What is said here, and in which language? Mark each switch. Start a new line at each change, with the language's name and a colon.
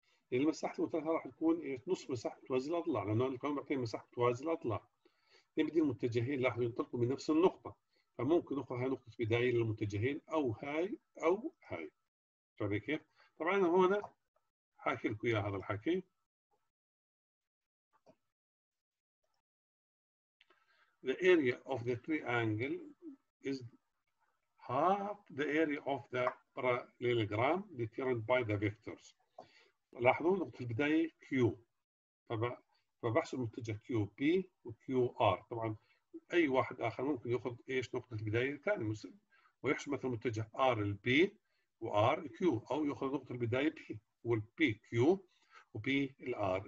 Arabic: يعني المساحة المثلثة راح تكون نص مساحة توازي الأضلاع، لأنه كانوا معطين مساحة توازي الأضلاع. يبدي المتجهين لاحظوا ينطلقوا من نفس النقطة، فممكن نقول هاي نقطة بداية للمتجهين أو هاي أو هاي. فهمت كيف؟ طبعا أنا هون حاكي لكم إياه هذا الحكي.
English: The area of the triangle is half the area of the parallelogram determined by the vectors.
Arabic: لاحظوا نقطة البداية Q. فبحسب متجه QP وQR. طبعا أي واحد آخر ممكن يأخذ إيش نقطة البداية الثانية ويحسب مثلا متجه R ال B وR Q، أو يأخذ نقطة البداية P وال P Q وP ال R.